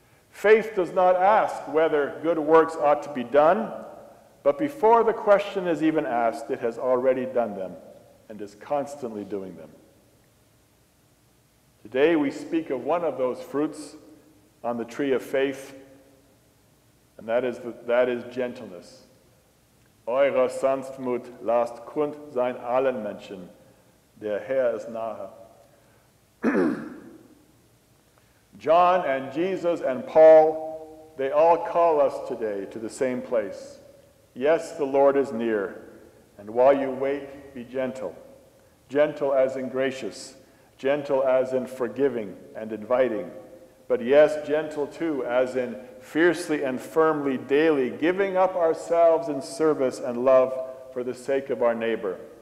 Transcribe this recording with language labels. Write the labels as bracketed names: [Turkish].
[English] Faith does not ask whether good works ought to be done, but before the question is even asked, it has already done them and is constantly doing them. Today we speak of one of those fruits on the tree of faith, and that is gentleness. [German] Eure Sanftmut lasst kund sein allen Menschen, der Herr ist nahe. [English] John and Jesus and Paul, they all call us today to the same place. Yes, the Lord is near, and while you wait, be gentle. Gentle as in gracious, gentle as in forgiving and inviting, but yes, gentle too as in fiercely and firmly daily giving up ourselves in service and love for the sake of our neighbor.